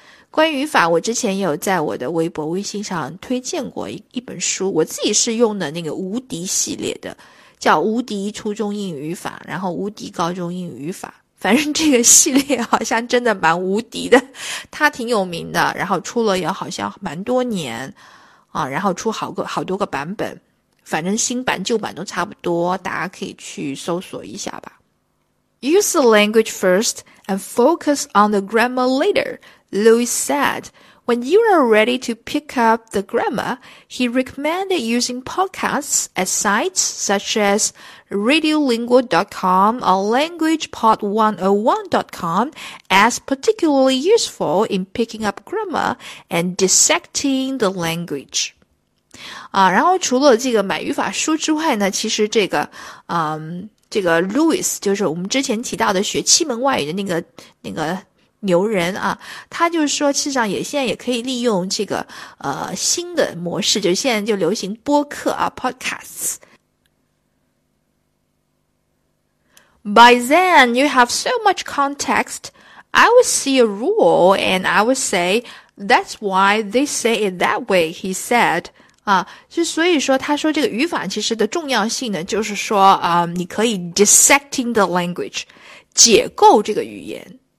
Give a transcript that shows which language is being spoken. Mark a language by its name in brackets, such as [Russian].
[Chinese] 关于语法，我之前也有在我的微博、微信上推荐过一本书，我自己是用的那个无敌系列的，叫《无敌初中英语语法》，然后《无敌高中英语语法》。反正这个系列好像真的蛮无敌的，它挺有名的，然后出了也好像蛮多年啊，然后出好多个版本，反正新版旧版都差不多，大家可以去搜索一下吧。 [English] Use the language first and focus on the grammar later, Louis said. When you are ready to pick up the grammar, he recommended using podcasts at sites such as Radiolingua.com or LanguagePod101.com as particularly useful in picking up grammar and dissecting the language. [Chinese] 啊，然后除了这个买语法书之外呢，其实这个，这个 Louis 就是我们之前提到的学七门外语的那个牛人啊，他就是说，实际上也现在也可以利用这个新的模式，就现在就流行播客啊，podcasts。 [English] By then, you have so much context, I will see a rule and I will say, that's why they say it that way, he said. [Chinese] 所以说，他说这个语法其实的重要性呢，就是说你可以 [English] dissecting the language, [Chinese] 解构这个语言。